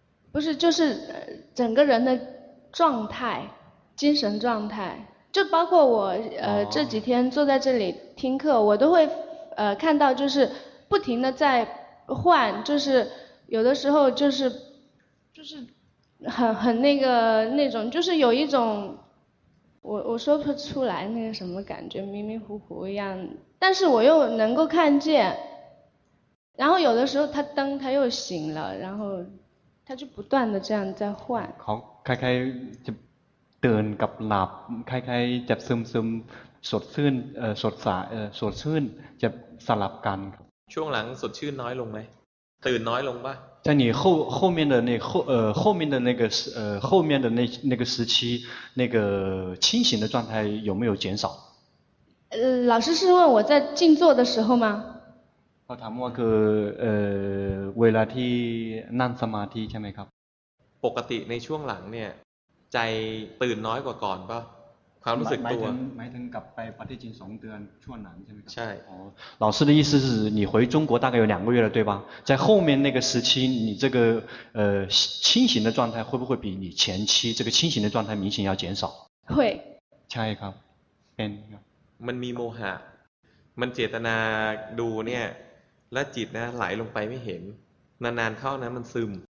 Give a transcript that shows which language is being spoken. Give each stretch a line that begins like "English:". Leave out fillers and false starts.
Chinese: 不是，就是整个人的状态，精神状态，就包括我这几天坐在这里听课，我都会看到就是不停的在换，就是有的时候就是很那种，就是有一种我说不出来那个什么感觉，迷迷糊糊一样。但是我又能够看见然后有的时候他灯他又醒了然后他就不断的这样在换
Thai: เขาคล้ายๆจะตื่นกับหลับคล้ายๆจะซึมสดชื่นสดสายสดชื่นจะสลับกัน ช่วงหลังสดชื่นน้อยลงไหมตื่นน้อยลงป่ะ
Chinese: 在你后面的那后面的那个后面的那个时期那个清醒的状态有没有减少老师是问我在静坐的时候吗？
Thai: เขาถามว่าคือเวลาที่นั่งสมาธิใช่ไหมครับ？ ปกติในช่วงหลังเนี่ยใจตื่นน้อยกว่าก่อนป่ะ？ ความรู้สึกตัว หมายถึงกลับไปปฏิจจสมุปบาทช่วงหลังใช่ไหมครับ ？ ใช่。
Chinese: 哦，老师的意思是你回中国大概有两个月了，对吧？在后面那个时期，你这个清醒的状态会不会比你前期这个清醒的状态明显要减少？会。
Thai: ใช่ครับ。
Chinese: 变。
Thai: มันมีโมหะมันเจตนาดูเนี่ยและจิตนะไหลลงไปไม่เห็นนานๆเข้านะมันซึม